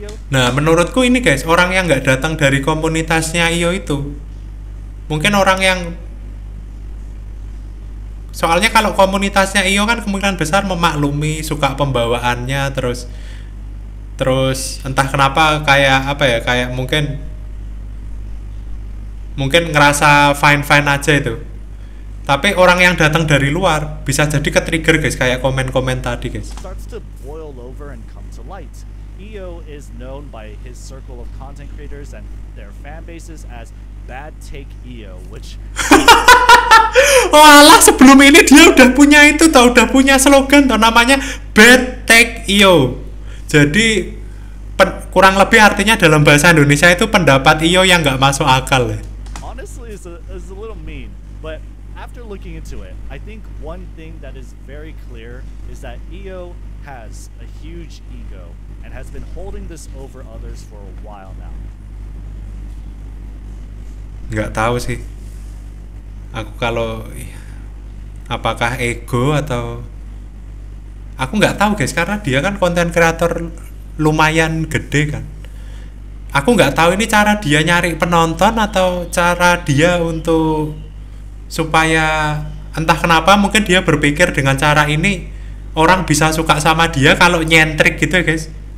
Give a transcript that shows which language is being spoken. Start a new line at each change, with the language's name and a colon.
Indonesian: Nah, menurutku ini guys, orang yang nggak datang dari komunitasnya IO itu mungkin orang yang, soalnya kalau komunitasnya IO kan kemungkinan besar memaklumi, suka pembawaannya, terus entah kenapa kayak apa ya, kayak mungkin ngerasa fine-fine aja itu. Tapi orang yang datang dari luar bisa jadi ke-trigger guys, kayak komen-komen tadi guys.
English: Starts to boil over and come to light. EO is known by his circle of content creators and their fan bases as Bad Take EO, which
Indonesian: Walah, sebelum ini dia udah punya itu tau, udah punya slogan tau, namanya Bad Take EO. Jadi kurang lebih artinya dalam bahasa Indonesia itu pendapat EO yang enggak masuk akal.
English: Honestly, it's a little mean, but after looking into it, I think one thing that is very clear is that EO has a huge ego and has been holding this over others for a while now.
Indonesian: Enggak tahu sih. Aku kalau apakah ego atau aku enggak tahu guys, karena dia kan konten kreator lumayan gede kan. Aku enggak tahu ini cara dia nyari penonton atau cara dia untuk supaya entah kenapa mungkin dia berpikir dengan cara ini orang bisa suka sama dia kalau nyentrik gitu ya guys.